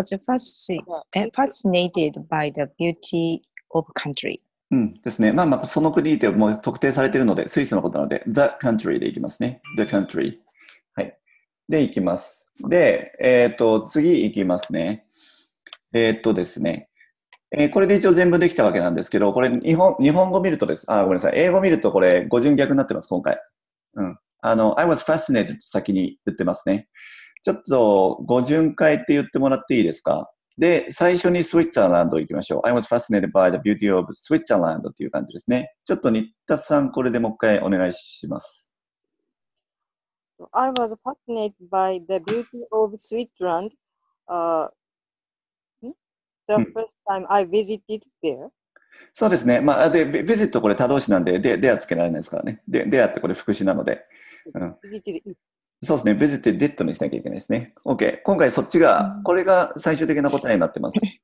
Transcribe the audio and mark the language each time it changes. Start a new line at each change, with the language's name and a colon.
English: I was fascinated by the beauty of country。
Japanese: うんですね、まあ、まあその国ってもう特定されているので、スイスのことなので The country でいきますね。 The country、はい、でいきます。で、次いきますね。ですね、これで一応全部できたわけなんですけど、これ日本語見るとです。あ、ごめんなさい、英語見るとこれ語順逆になってます今回。うん、
English: I was fascinated
Japanese: 先に言ってますね。ちょっと語順変えて言ってもらっていいですか。で、最初にスイッツァーランド行きましょう。
English: I was fascinated by the beauty of Switzerland
Japanese: っていう感じですね。ちょっと新田さん、これでもう一回お願いします。
English: I was fascinated by the beauty of Switzerland、the first time I visited there。
Japanese: そうですね、まあ、で、ビジットこれ他動詞なんで、ではつけられないですからね。ではってこれ副詞なので、そうですね、visited did にしなきゃいけないですね。 OK、 今回そっちが、これが最終的な答えになってます。